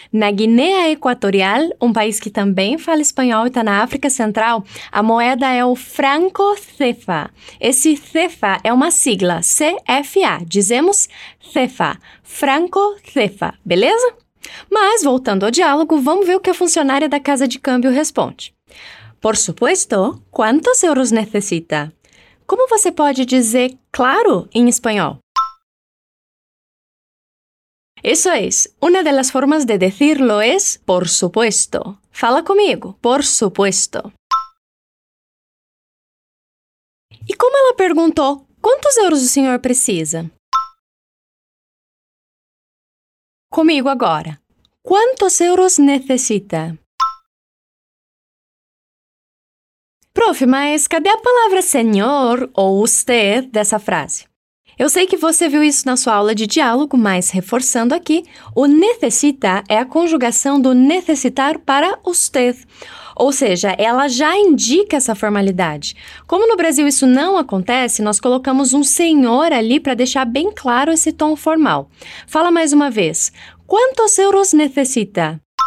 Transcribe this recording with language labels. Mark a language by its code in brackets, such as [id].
[pt] Na Guiné Equatorial, um país que também fala espanhol e está na África Central, a moeda é o franco CFA. Esse CFA é uma sigla, CFA. Dizemos CFA, franco CFA, beleza? Mas, voltando ao diálogo, vamos ver o que a funcionária da casa de câmbio responde. [es] Por supuesto, ¿cuántos euros necesita? [pt] Como você pode dizer claro em espanhol? Isso é. Uma das formas de decirlo é por supuesto. Fala comigo. [es] Por supuesto. [pt] E como ela perguntou, quantos euros o senhor precisa? Comigo agora. [es] ¿Cuántos euros necesita? [pt] Prof, mas cadê a palavra senhor ou usted dessa frase? Eu sei que você viu isso na sua aula de diálogo, mas reforçando aqui, o necesita é a conjugação do necessitar para usted. Ou seja, ela já indica essa formalidade. Como no Brasil isso não acontece, nós colocamos um senhor ali para deixar bem claro esse tom formal. Fala mais uma vez. [es] ¿Cuántos euros necesita?